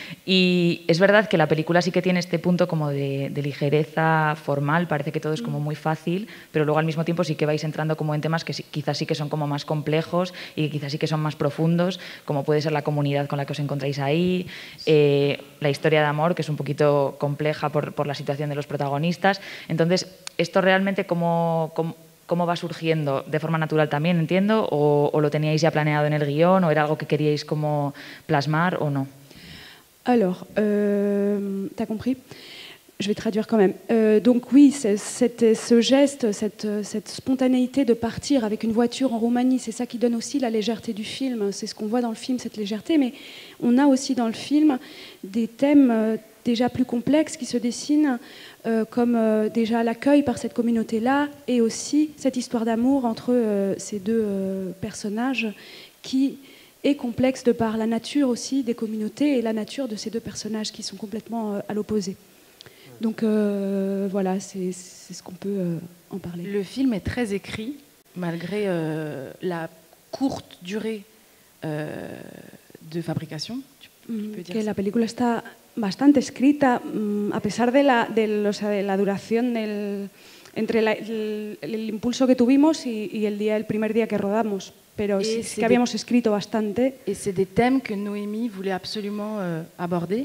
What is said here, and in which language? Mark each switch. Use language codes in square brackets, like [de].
[es] Y es verdad que la película sí que tiene este punto como de ligereza formal, parece que todo es como muy fácil, pero luego al mismo tiempo sí que vais entrando como en temas que quizás sí que son como más complejos y quizás sí que son más profundos, como puede ser la comunidad con la que os encontráis ahí, la historia de amor, que es un poquito compleja por la situación de los protagonistas. Entonces, esto realmente ¿cómo va surgiendo? ¿De forma natural también, entiendo? ¿O lo teníais ya planeado en el guión? ¿O era algo que queríais como plasmar o no? [fr] Alors, t'as compris? Je vais traduire quand même. Donc oui, c'était ce geste, cette spontanéité de partir avec une voiture en Roumanie, c'est ça qui donne aussi la légèreté du film. C'est ce qu'on voit dans le film, cette légèreté. Mais on a aussi dans le film des thèmes déjà plus complexes qui se dessinent, comme déjà l'accueil par cette communauté-là et aussi cette histoire d'amour entre ces deux personnages qui est complexe de par la nature aussi des communautés et la nature de ces deux personnages qui sont complètement à l'opposé. Donc voilà, c'est ce qu'on peut en parler. Le film est très écrit, malgré la courte durée de fabrication. [es] Que la película está bastante escrita, a pesar de la duración entre el impulso que tuvimos y el primer día que rodamos, pero sí que habíamos escrito bastante. Y son temas que Noemí quería absolutamente abordar.